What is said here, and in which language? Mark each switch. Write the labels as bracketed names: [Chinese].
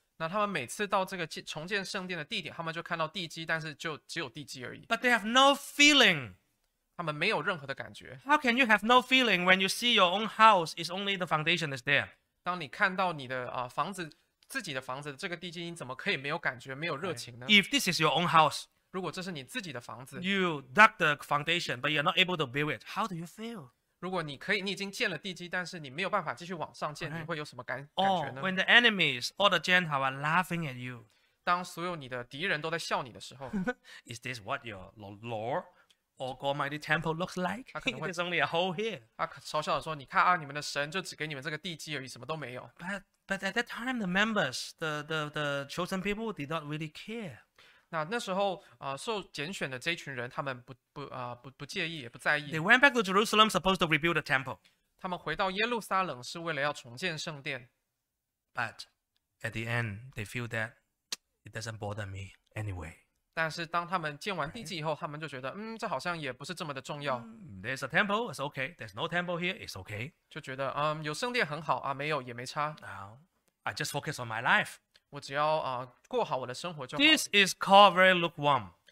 [Chinese] 那他们每次到这个重建圣殿的地点，他们就看到地基，但是就只有地基而已。 [English] But they have no feeling. [Chinese] 他们没有任何的感觉。 [English] How can you have no feeling when you see your own house is only the foundation is there? [Chinese] 当你看到你的房子，自己的房子这个地基，你怎么可以没有感觉，没有热情呢？ [English] If this is your own house. [Chinese] 如果这是你自己的房子 [English] You dug the foundation, but you're not able to build it. How do you feel? [Chinese] 如果你可以，你已经建了地基，但是你没有办法继续往上建，你会有什么感觉呢？ [English] Oh, when the enemies, all the Gentiles are laughing at you. [Chinese] 当所有你的敌人都在笑你的时候 [English] Is this what your Lord or God mighty temple looks like? There's only a hole here. [Chinese] 他可嘲笑地说，你看啊，你们的神就只给你们这个地基而已，什么都没有。 [English] But at that time, the members, the chosen people did not really care. [Chinese] 那时候受拣选的这群人他们 不介意也不在意。 [English] They went back to Jerusalem supposed to rebuild the temple. [Chinese] 他们回到耶路撒冷是为了要重建圣殿。 [English] But at the end, they feel that it doesn't bother me anyway. [Chinese] 但是当他们建完地基以后他们就觉得这好像也不是这么的重要。 [English] There's a temple, it's okay. There's no temple here, it's okay. [Chinese] 就觉得有圣殿很好啊没有也没差。 [English] Now, I just focus on my life. [Chinese] 我只要过好我的生活就好。 [English] This is called very lukewarm.